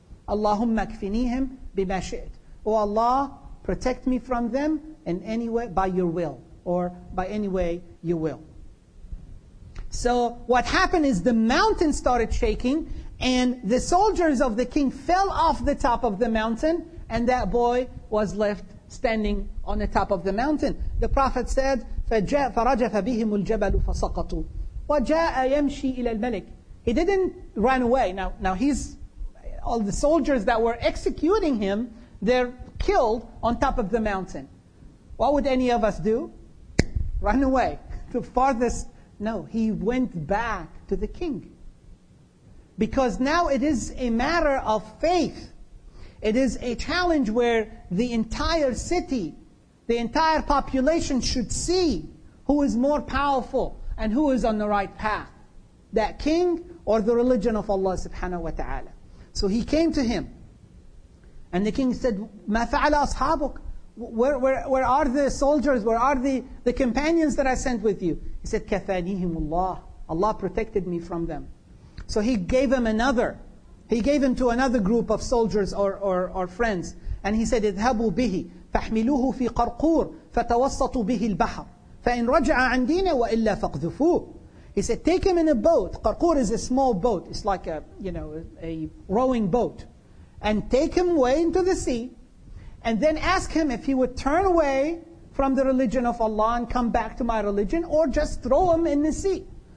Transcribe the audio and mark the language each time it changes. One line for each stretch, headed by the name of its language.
Arabic: Allahumma kfinihim bima shi'd.
English: Oh Allah, protect me from them in any way by your will, or by any way you will. So what happened is the mountain started shaking, and the soldiers of the king fell off the top of the mountain, and that boy was left standing on the top of the mountain. The prophet said,
Arabic: فَرَجَفَ بِهِمُ الْجَبَلُ فَسَقَطُوا وَجَاءَ يَمْشِي إِلَى الْمَلِكِ.
English: He didn't run away. Now he's, all the soldiers that were executing him, they're killed on top of the mountain. What would any of us do? Run away. The farthest. No, he went back to the king. Because now it is a matter of faith. It is a challenge where the entire city, the entire population should see who is more powerful and who is on the right path. That king or the religion of Allah subhanahu wa ta'ala. So he came to him. And the king said,
Arabic: مَا فَعَلَ أَصْحَابُكَ.
English: Where are the soldiers? Where are the companions that I sent with you? He said,
Arabic: كَفَانِيهِمُ اللَّهِ.
English: Allah protected me from them. So he gave him another. He gave him to another group of soldiers or friends. And he said,
Arabic: اذهبوا به فاحملوه في قرقور فتوسطوا به البحر فإن رجع عن دينه وإلا فاقذفوه.
English: He said, take him in a boat. قرقور is a small boat. It's like a rowing boat. And take him way into the sea. And then ask him if he would turn away from the religion of Allah and come back to my religion, or just throw him in the sea.